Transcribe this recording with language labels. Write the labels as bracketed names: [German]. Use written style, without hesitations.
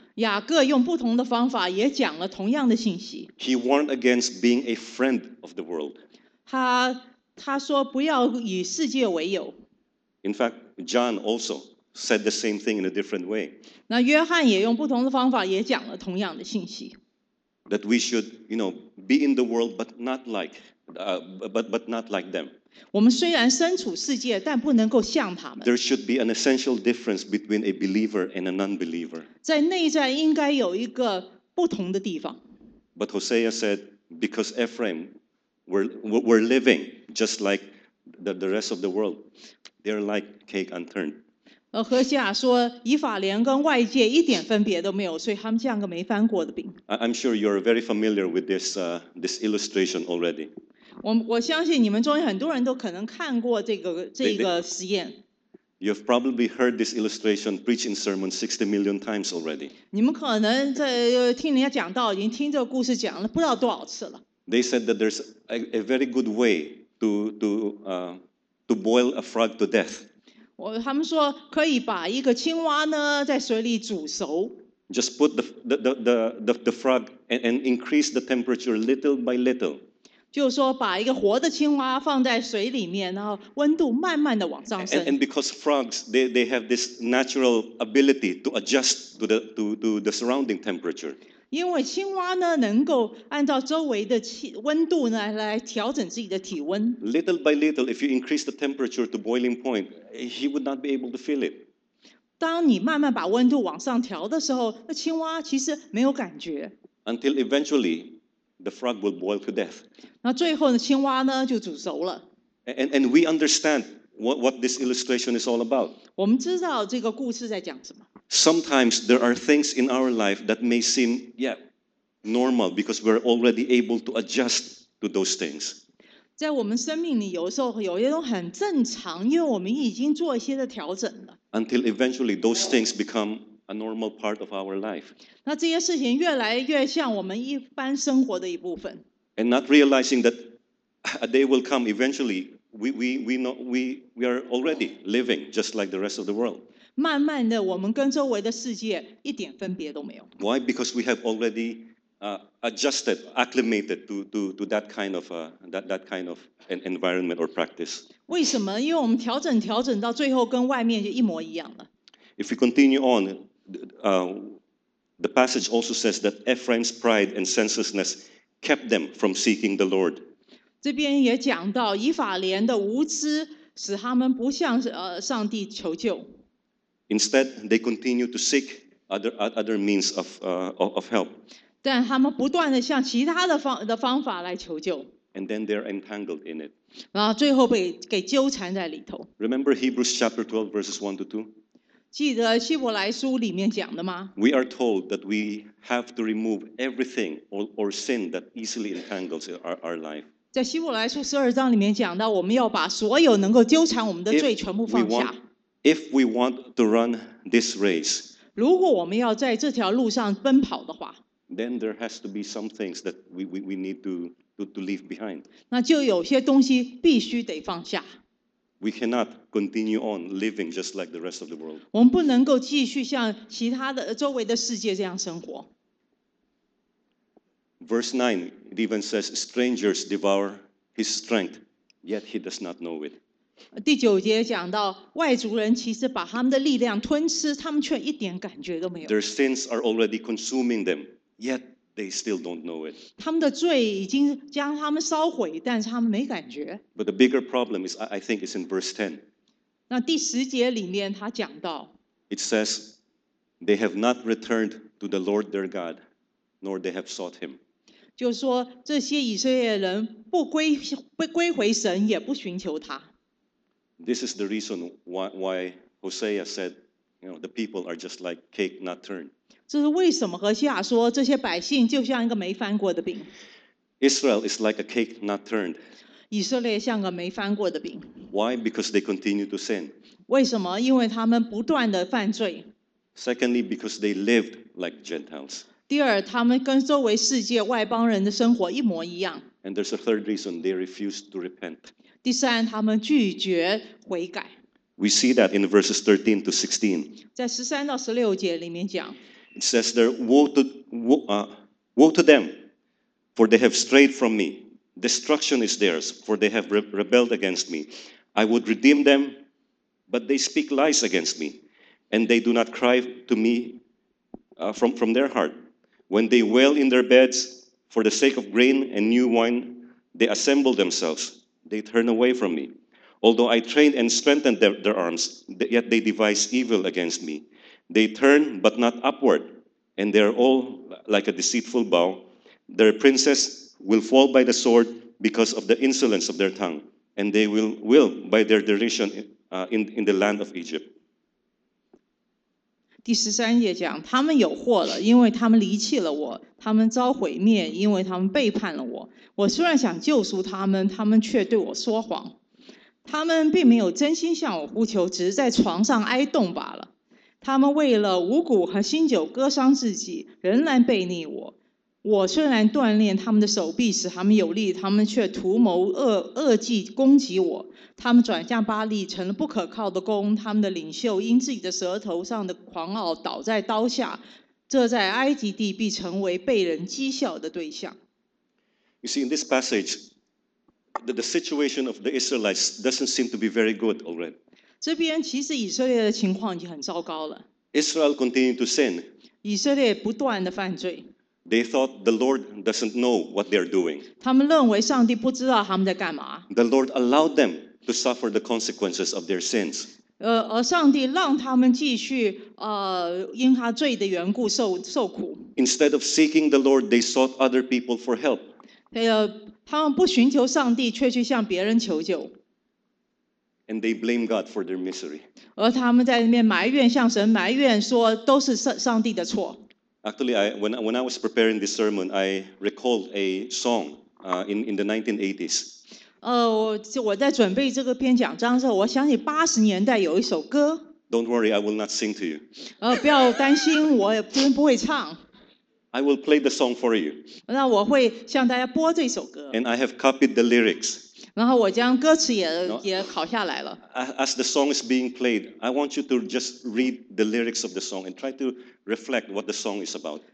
[Chinese] 雅各用不同的方法也讲了同样的信息。 [English] He warned against being a friend of the world. [Chinese] 他说不要以世界为友。 [English] In fact, John also. Said the same thing in a different way. [Chinese] 那约翰也用不同的方法也讲了同样的信息。 [English] That we should, you know, be in the world, but not like them. [Chinese] 我们虽然身处世界，但不能够像他们。 [English] There should be an essential difference between a believer and a non-believer. [Chinese] 在内在应该有一个不同的地方。 [English] But Hosea said, because Ephraim were living just like the rest of the world, they're like cake unturned. [Chinese] 何西亚说以法莲跟外界一点分别都没有，所以他们像个没翻过的饼。 [English] I'm sure you're very familiar with this illustration already. [Chinese] 我相信你们中间很多人都可能看过这个实验。 [English] You've probably heard this illustration preached in sermon 60 million times already. [Chinese] 你们可能在听人家讲道已经听这个故事讲了不知道多少次了。 [English] They said that there's a very good way to boil a frog to death. [Chinese] 他们说可以把一个青蛙呢在水里煮熟。 [English] Just put the frog and increase the temperature little by little. [Chinese] 就是说把一个活的青蛙放在水里面，然后温度慢慢的往上升。 [English] And because frogs they have this natural ability to adjust to the surrounding temperature. [Chinese] 因为青蛙呢能够按照周围的温度呢来调整自己的体温。 [English] Little by little, if you increase the temperature to boiling point. He would not be able to feel it. [Chinese] 当你慢慢把温度往上调的时候，那青蛙其实没有感觉。 [English] Until eventually, the frog will boil to death. [Chinese] 那最后呢，青蛙呢就煮熟了。 [English] And we understand what this illustration is all about. [Chinese] 我们知道这个故事在讲什么。 [English] Sometimes there are things in our life that may seem, yeah, normal because we're already able to adjust to those things. [Chinese] 在我们生命里，有时候有一种很正常，因为我们已经做一些的调整了。 [English] Until eventually those things become a normal part of our life. [Chinese] 那这些事情越来越像我们一般生活的一部分。 [English] And not realizing that a day will come eventually, we are already living just like the rest of the world. [Chinese] 慢慢的，我们跟周围的世界一点分别都没有。 [English] Why? Because we have already. Adjusted, acclimated to that kind of that kind of an environment or practice. [Chinese] 为什么？因为我们调整到最后跟外面就一模一样了。 [English] If we continue on, the passage also says that Ephraim's pride and senselessness kept them from seeking the Lord. [Chinese] 这边也讲到以法莲的无知使他们不向上帝求救。 [English] Instead, they continue to seek other means of help. [Chinese] 但他们不断地向其他的方法来求救。 [English] And then they're entangled in it. [Chinese] 然后最后被给纠缠在里头。 [English] Remember Hebrews chapter 12 verses 1 to 2? [Chinese] 记得希伯来书里面讲的吗？ [English] We are told that we have to remove everything or sin that easily entangles our life. [Chinese] 在希伯来书十二章里面讲到，我们要把所有能够纠缠我们的罪全部放下。 [English] If we want to run this race, [Chinese] 如果我们要在这条路上奔跑的话， [English] then there has to be some things that we need to leave behind. [Chinese] 那就有些东西必须得放下。 [English] We cannot continue on living just like the rest of the world. [Chinese] 我们不能够继续像其他的周围的世界这样生活。 [English] Verse 9, it even says, strangers devour his strength, yet he does not know it. [Chinese] 第九节讲到，外族人其实把他们的力量吞吃，他们却一点感觉都没有。 [English] Their sins are already consuming them, yet they still don't know it. [Chinese] 他们的罪已经将他们烧毁，但是他们没感觉。 [English] But the bigger problem is, I think, is in verse 10. [Chinese] 那第十节里面他讲到， [English] It says, they have not returned to the Lord their God, nor they have sought him. [Chinese] 就是说，这些以色列人不归回神，也不寻求他。 [English] This is the reason why Hosea said, you know, the people are just like cake not turned. [Chinese] 这是为什么何西亚说这些百姓就像一个没翻过的饼。 [English] Israel is like a cake not turned. [Chinese] 以色列像个没翻过的饼。 [English] Why? Because they continue to sin. [Chinese] 为什么？因为他们不断的犯罪。 [English] Secondly, because they lived like Gentiles. [Chinese] 第二，他们跟周围世界外邦人的生活一模一样。 [English] And there's a third reason, they refused to repent. [Chinese] 第三，他们拒绝悔改。 [English] We see that in verses 13 to 16. [Chinese] 在十三到十六节里面讲。 [English] It says there, woe to them, for they have strayed from me. Destruction is theirs, for they have rebelled against me. I would redeem them, but they speak lies against me, and they do not cry to me from their heart. When they wail in their beds for the sake of grain and new wine, they assemble themselves. They turn away from me. Although I trained and strengthened their arms, yet they devise evil against me. They turn, but not upward, and they are all like a deceitful bow. Their princes will fall by the sword because of the insolence of their tongue, and they will by their derision in the land of Egypt. [Chinese] 第十三页讲，他们有祸了，因为他们离弃了我，他们遭毁灭，因为他们背叛了我。我虽然想救赎他们，他们却对我说谎。他们并没有真心向我呼求，只是在床上哀动罢了。他们为了五谷和新酒割伤自己，仍然背逆我。我虽然锻炼他们的手臂，使他们有力，他们却图谋恶计攻击我。他们转向巴力，成了不可靠的弓。他们的领袖因自己的舌头上的狂傲倒在刀下，这在埃及地必成为被人讥笑的对象。 [English] You see, in this passage, the situation of the Israelites doesn't seem to be very good already. [Chinese] 这边其实以色列的情况已经很糟糕了。 [English] Israel continued to sin. [Chinese] 以色列不断的犯罪。 [English] They thought the Lord doesn't know what they're doing. [Chinese] 他们认为上帝不知道他们在干嘛。 [English] The Lord allowed them to suffer the consequences of their sins. [Chinese] 而上帝让他们继续因他罪的缘故受苦。 [English] Instead of seeking the Lord, they sought other people for help. [Chinese] 他们不寻求上帝，却去向别人求救。 [English] And they blame God for their misery. [Chinese] 而他们在里面埋怨，向神埋怨，说都是上帝的错。 [English] Actually, when I was preparing this sermon, I recalled a song in the 1980s. [Chinese] 我在准备这个篇讲章的时候，我想起八十年代有一首歌。 [English] Don't worry, I will not sing to you. [Chinese] 不要担心，我真不会唱。 [English] I will play the song for you. [Chinese] 那我会向大家播这首歌。 [English] And I have copied the lyrics. [Chinese] 然后我将歌词也拷下来了。 [English] As the song is being played, I want you to just read the lyrics of the song and try to reflect what the song is about.